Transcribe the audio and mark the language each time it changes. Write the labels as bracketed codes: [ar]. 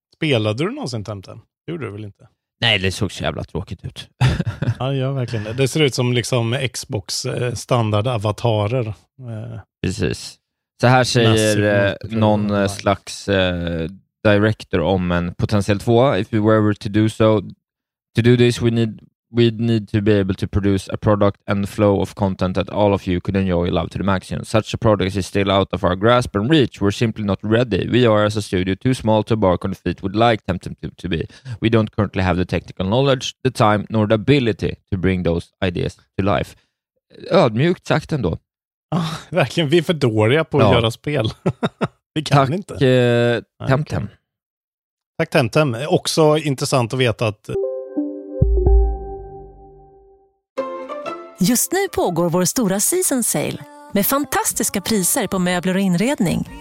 [sv] Spelade du någonsin Temtem? Gjorde du väl inte? Nej, det såg så jävla tråkigt ut. Ja, verkligen. Det ser ut som liksom Xbox standard avatarer. Precis. Så här säger någon slags director om en potentiell 2. [en] If we were to do this, we'd need to be able to produce a product and flow of content that all of you could enjoy love to the maximum. Such a product is still out of our grasp and reach. We're simply not ready. We are, as a studio, too small to bark on the feet we'd like Temtem to be. We don't currently have the technical knowledge, the time, nor the ability to bring those ideas to life. [sv] Ödmjukt sagt ändå. Oh, verkligen, vi är för dåliga på att göra spel. Vi kan tack, inte. Temtem. Okay. Tack Temtem. Också intressant att veta att... Just nu pågår vår stora season sale med fantastiska priser på möbler och inredning.